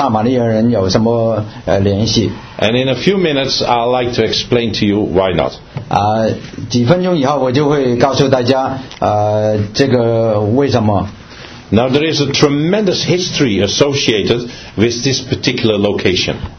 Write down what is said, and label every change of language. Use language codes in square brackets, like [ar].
[zh] 但是他们一点都不想跟这些撒玛利亚人有什么联系。 [en] And in a few minutes, I'd like to explain to you why not. [zh] 几分钟以后我就会告诉大家这个为什么。 [en] Now there is a tremendous history associated with this particular location.